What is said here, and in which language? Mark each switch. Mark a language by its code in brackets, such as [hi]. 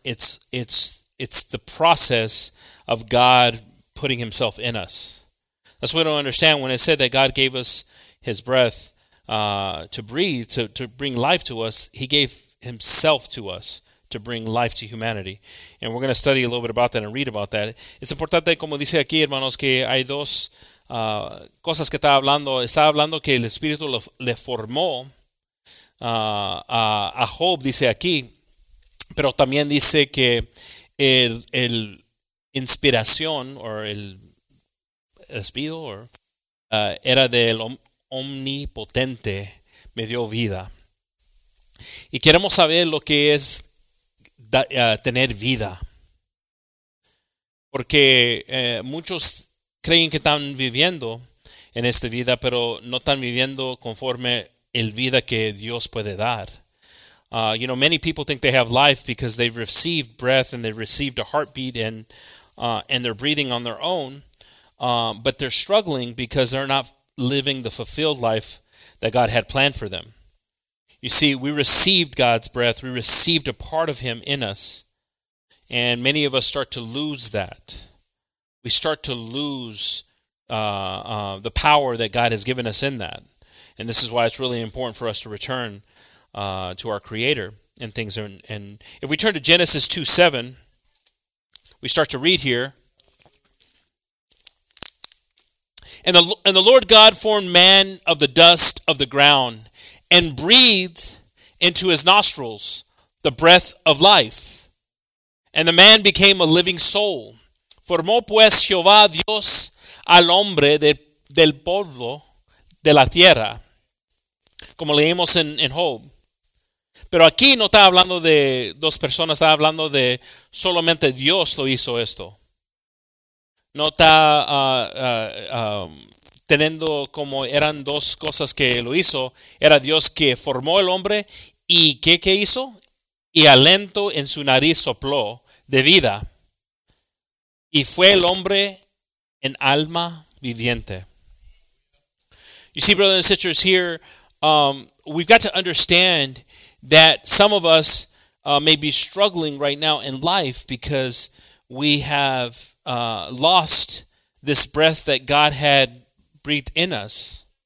[en] It's the process of God putting himself in us. That's what I don't understand. When it said that God gave us his breath to breathe, to bring life to us, he gave himself to us to bring life to humanity. And we're going to study a little bit about that and read about that. [es] Es importante, como dice aquí, hermanos, que hay dos cosas que está hablando. Está hablando que el Espíritu le formó a Job, dice aquí. Pero también dice que el inspiración or el espíritu or era del omnipotente me dio vida. Y queremos saber lo que es tener vida. Porque muchos creen que están viviendo en esta vida, pero no están viviendo conforme el vida que Dios puede dar. [en] You know, many people think they have life because they've received breath and they've received a heartbeat and they're breathing on their own. But they're struggling because they're not living the fulfilled life that God had planned for them. You see, we received God's breath. We received a part of him in us. And many of us start to lose that. We start to lose the power that God has given us in that. And this is why it's really important for us to return to our Creator and things. And if we turn to Genesis 2:7, we start to read here. And the Lord God formed man of the dust of the ground and breathed into his nostrils the breath of life. And the man became a living soul. [es] Formó pues Jehová Dios al hombre del polvo de la tierra. Como leemos en Job. Pero aquí no está hablando de dos personas, está hablando de solamente Dios lo hizo esto. No está teniendo como eran dos cosas que lo hizo. Era Dios que formó el hombre y ¿qué hizo? Y aliento en su nariz sopló de vida. Y fue el hombre en alma viviente. [en] You see, brothers and sisters, here we've got to understand that some of us may be struggling right now in life because we have lost this breath that God had breathed in us.